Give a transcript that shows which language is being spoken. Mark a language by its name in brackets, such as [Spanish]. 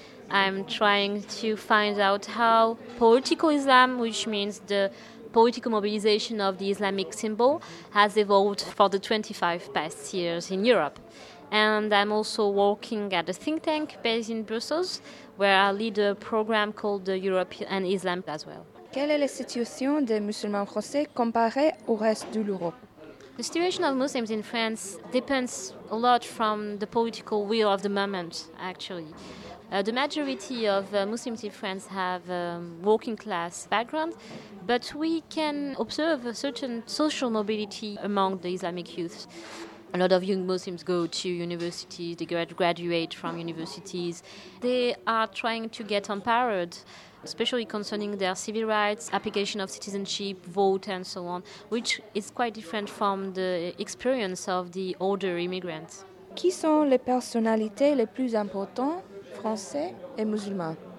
[English] I'm trying to find out how political Islam, which means the political mobilization of the Islamic symbol, has evolved for the 25 past years in Europe. And I'm also working at a think tank based in Brussels, where I lead a program called the Europe and Islam as well. [French] Quelle est la situation des musulmans français comparée au reste de l'Europe? [English] The situation of Muslims in France depends a lot from the political will of the moment, actually. The majority of Muslims in France have a working-class background, but we can observe a certain social mobility among the Islamic youth. A lot of young Muslims go to universities, they graduate from universities. They are trying to get empowered, especially concerning their civil rights, application of citizenship, vote and so on, which is quite different from the experience of the older immigrants. [French] Qui sont les personnalités les plus importantes, français et musulmans?